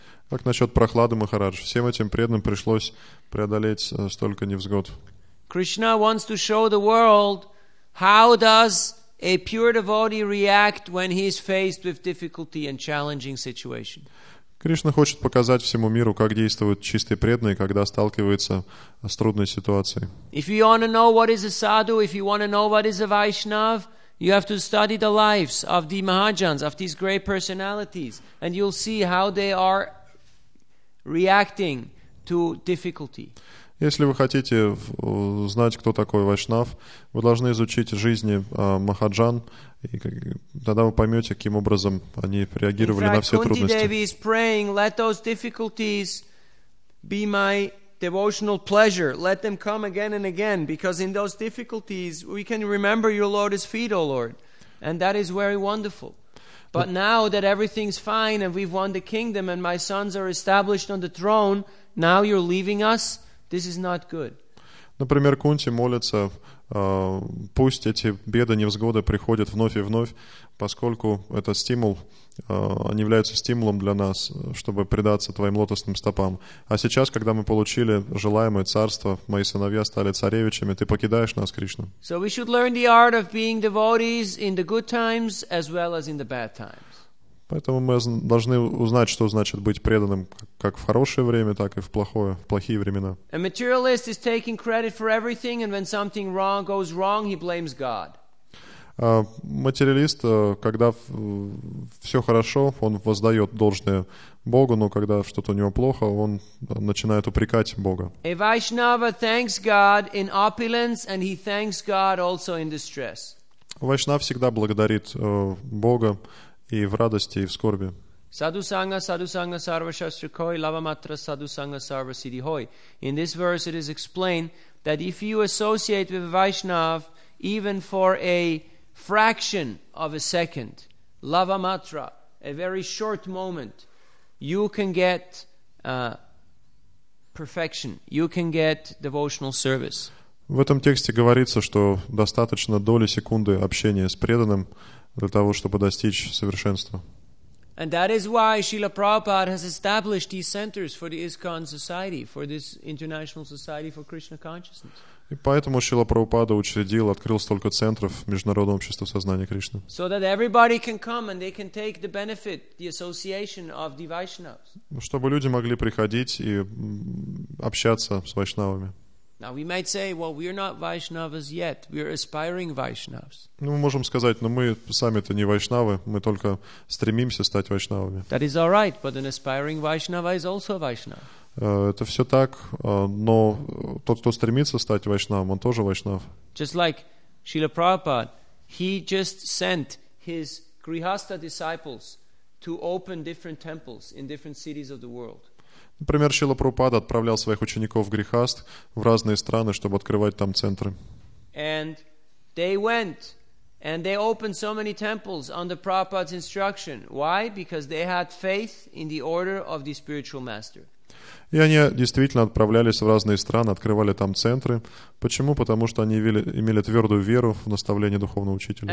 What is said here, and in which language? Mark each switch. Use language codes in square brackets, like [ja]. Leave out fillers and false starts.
[ru] Как насчет Прохлады Махарадж? Всем этим преданным пришлось преодолеть столько невзгод. [en] Krishna wants to show the world how does a pure devotee react when he is faced with difficulty and challenging situation. [ru] Кришна хочет показать всему миру, как действует чистый преданный, когда сталкивается с трудной ситуацией. [en] If you want to know what is a sadhu, if you want to know what is a Vaishnav, you have to study the lives of the Mahajans, of these great personalities, and you'll see how they are reacting to difficulty. [ru] Если вы хотите знать, кто такой Вайшнав, вы должны изучить жизни Махаджан, и тогда вы поймете, каким образом они реагировали на все трудности. [en] Kunti Devi is praying, let those difficulties be my devotional pleasure. Let them come again and again, because in those difficulties we can remember your lotus feet, O Lord. And that is very wonderful. But now that everything's fine and we've won the kingdom and my sons are established on the throne, now you're leaving us? This is not good. [ru] Например, Кунти молится, пусть эти беды, невзгоды приходят вновь и вновь, поскольку этот стимул, они являются стимулом для нас, чтобы предаться твоим лотосным стопам. А сейчас, когда мы получили желаемое царство, мои сыновья стали царевичами, ты покидаешь нас, Кришна. [en] So we should learn the art of being devotees in the good times as well as in the bad times. [ru] Поэтому мы должны узнать, что значит быть преданным как в хорошее время, так и в плохое, в плохие времена. [en] A materialist is taking credit for everything, and when something wrong goes wrong, he blames God. [ru] Материалист, когда все хорошо, он воздает должное Богу, но когда что-то у него плохо, он начинает упрекать Бога. [en] A Vaishnava thanks God in opulence, and he thanks God also in distress. [ru] Вайшнав всегда благодарит Бога и в радости, и в скорби. [sa] Садусанга, садусанга, сарвашастрикой, лавматра, садусанга, сарвасидихой. [en] In this verse it is explained that if you associate with Vaishnav even for a fraction of a second, lavamatra, a very short moment, you can get perfection, you can get devotional service. [ru] В этом тексте говорится, что достаточно доли секунды общения с преданным для того, чтобы достичь совершенства. [en] And that is why Srila Prabhupada has established these centers for the ISKCON society, for this International Society for Krishna Consciousness. [ru] И поэтому Шрила Прабхупада учредил, открыл столько центров Международного общества сознания Кришны. [en] So that everybody can come and they can take the benefit, the association of the Vaishnavas. [ru] Чтобы люди могли приходить и общаться с вайшнавами. [en] Now we might say, well, we are not Vaishnavas yet. We are aspiring Vaishnavas. [ru] Ну, мы можем сказать, но мы сами-то не вайшнавы, мы только стремимся стать вайшнавами. [en] That is all right, but an aspiring Vaishnava is also a Vaishnava. [ru] Это все так, но тот, кто стремится стать вайшнавом, он тоже вайшнав. [en] Just like Srila Prabhupada, he just sent his Grihastha disciples to open different temples in different cities of the world. [ru] Например, Шрила Прабхупада отправлял своих учеников в Грихаст, в разные страны, чтобы открывать там центры. [en] And they went, and they opened so many temples under Prabhupada's instruction. Why? Because they had faith in the order of the spiritual master. [ru] И они действительно отправлялись в разные страны, открывали там центры. Почему? Потому что они имели твердую веру в наставление духовного учителя.